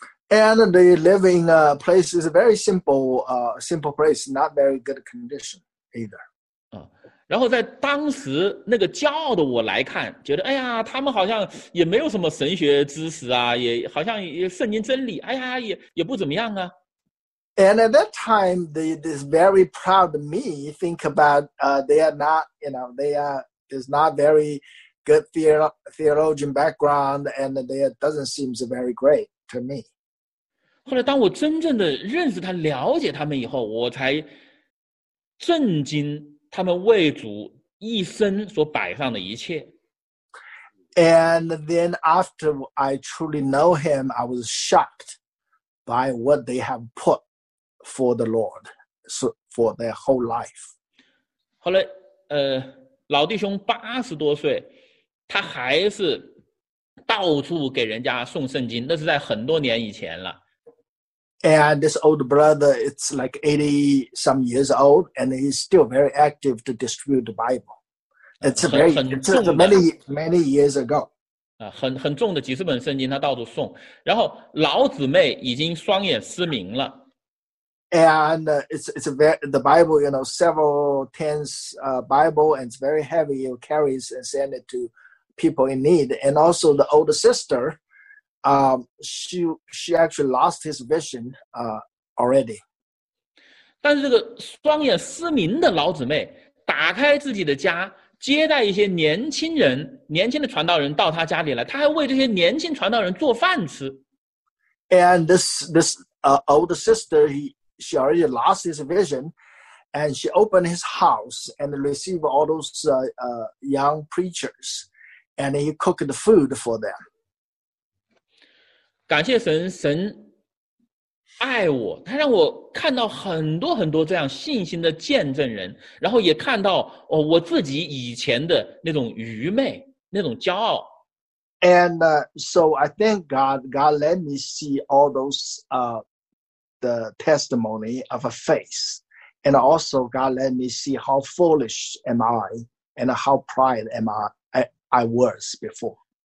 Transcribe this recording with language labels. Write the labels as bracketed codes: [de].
[en] And they live in a place is a very simple place, not very good condition either. [zh] 然后在当时那个骄傲的我来看，觉得哎呀，他们好像也没有什么神学知识啊，也好像也圣经真理，哎呀，也不怎么样啊。 [en] And at that time, this very proud me think about they are not, you know, they are is not very good theologian background, and they doesn't seem very great to me. [zh] 后来当我真正的认识他、了解他们以后，我才震惊。他们为主一生所摆上的一切。 [en] And then after I truly know him, I was shocked by what they have put for the Lord, so for their whole life. [zh] 后来老弟兄80多岁，他还是到处给人家送圣经，那是在很多年以前了。 [en] And this old brother, it's like 80 some years old, and he's still very active to distribute the Bible. It's very, it's many, many years ago. [zh] 很重的几十本圣经他到处送。然后老姊妹已经双眼失明了。 [en] And it's a very, the Bible, you know, several tens Bible, and it's very heavy. It carries and send it to people in need. And also the older sister, she actually lost his vision already. [zh] 但是这个双眼失明的老姊妹打开自己的家，接待一些年轻人，年轻的传道人到他家里来，他还为这些年轻传道人做饭吃。 [en] And this older sister, she already lost his vision, and she opened his house and received all those young preachers, and he cooked the food for them. [zh] 感谢神，神爱我，他让我看到很多很多这样信心的见证人，然后也看到哦我自己以前的那种愚昧，那种骄傲。 [en] And so I thank God let me see all those the testimony of a faith, and also God let me see how foolish am I and how pride am I was before.